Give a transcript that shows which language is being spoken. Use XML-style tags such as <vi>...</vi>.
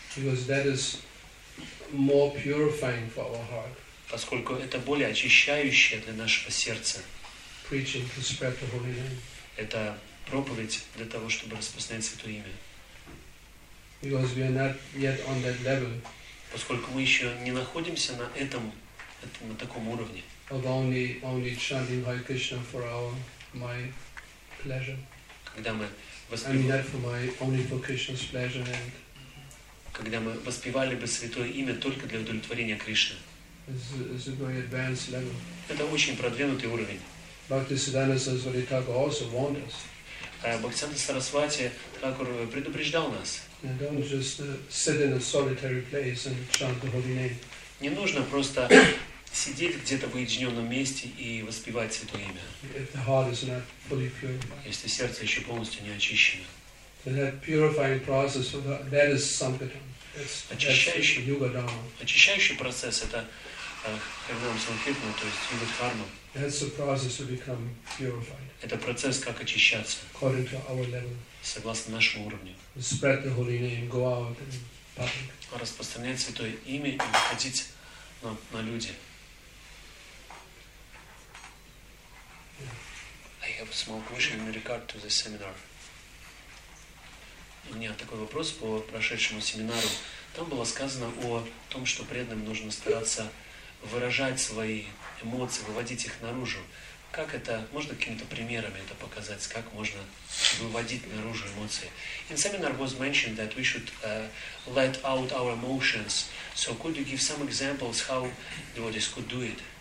<en>Because that is more purifying for our heart.</en> <ru>Поскольку это более очищающее для нашего сердца.</ru> <en>Preaching to spread the holy name.</en> <ru>Это проповедь для того, чтобы распространять Святое Имя.</ru> <en>Because we are not yet on that level.</en> <ru>Поскольку мы еще не находимся на этом, на таком уровне.</ru> <en>Of only chanting Hare Krishna for our my pleasure.</en> <ru>Когда мы когда мы воспевали бы Святое Имя только для удовлетворения Кришны.</ru> <en>It's a very advanced level.</en> <ru>Это очень продвинутый уровень.</ru> <en>Bhaktisiddhanta Saraswati Thakur also warned us.</en> <ru>Бхактисиддханта Сарасвати Такур предупреждал нас.</ru> <en>Don't just sit in a solitary place and chant the holy name.</en> <ru>Не нужно просто сидеть где-то в уединенном месте и воспевать Святое Имя.</ru> <en>If the heart is not fully purified.</en> <ru>Если сердце еще полностью не очищено.</ru> <en>That purifying process, that is sankirtan.</en> <ru>Очищающий юга дхарма. Очищающий процесс это харинам санкиртан, то есть юга дхарма.</ru> <en>That's the process to become purified.</en> <ru>Это процесс, как очищаться.</ru> <en>According to our level.</en> <ru>Согласно нашему уровню.</ru> <en>Spread the holy name, go out in public.</en> <ru>Распространять святое имя и выходить на люди.</ru> <en>I have a small question in regard to the seminar.</en> <ru>У меня такой вопрос по прошедшему семинару. Там было сказано о том, что преданным нужно стараться выражать свои эмоции, выводить их наружу. Как это, можно какими-то примерами это показать, как можно выводить наружу эмоции?</ru> <en>In seminar was mentioned that we should let out our emotions. So could you give some examples how devotees could do it?</en>